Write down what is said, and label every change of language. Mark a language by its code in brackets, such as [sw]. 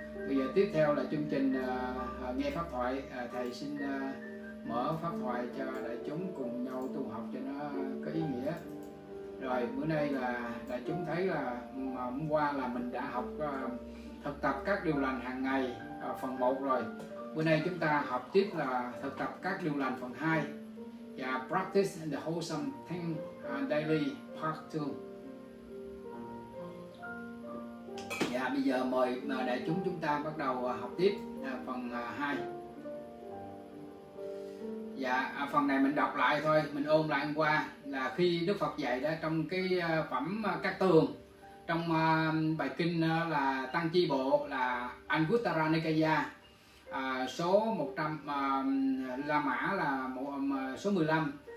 [vi] Bây giờ tiếp theo là chương trình nghe pháp thoại. Thầy xin mở pháp thoại cho đại chúng cùng nhau tu học cho nó có ý nghĩa. Rồi bữa nay là đại chúng thấy là hôm qua là mình đã học thực tập các điều lành hàng ngày phần 1 rồi. Bữa nay chúng ta học tiếp là thực tập các điều lành phần 2. [en] Yeah, practice and the wholesome thing daily part 2. [vi] Dạ, bây giờ mời đại chúng chúng ta bắt đầu học tiếp phần 2. Dạ, phần này mình đọc lại thôi, mình ôn lại hôm qua là khi Đức Phật dạy đó trong cái phẩm Cát Tường, trong bài kinh là Tăng Chi Bộ là Anguttara Nikaya số 100, La Mã là số 15.